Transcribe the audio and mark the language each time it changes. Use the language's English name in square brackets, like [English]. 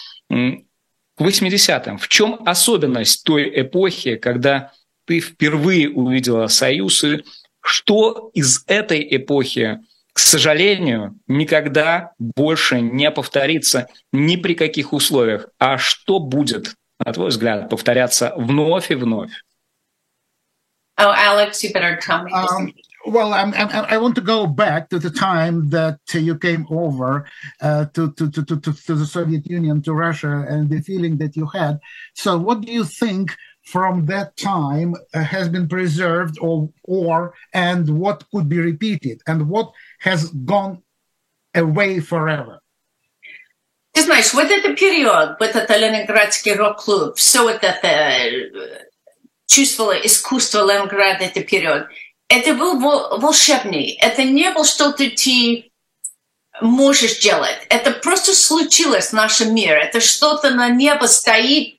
[Russian] К 80-м. В чем особенность той эпохи, когда ты впервые увидела Союз, и что из этой эпохи, к сожалению, никогда больше не повторится ни при каких условиях. А что будет, на твой взгляд, повторяться вновь и вновь? [English] Oh, Alex, you better tell me. Well, I want to go back to the time that you came over to the Soviet Union, to Russia, and the feeling that you had. So what do you think from that time has been preserved or and what could be repeated and what has gone away forever? [Russian] Ты знаешь, вот этот период, вот этот Ленинградский рок-клуб, все вот это чувствовало искусство Ленинграда, этот период, это был волшебный. Это не было, что ты можешь делать. Это просто случилось в нашем мире. Это что-то на небо стоит.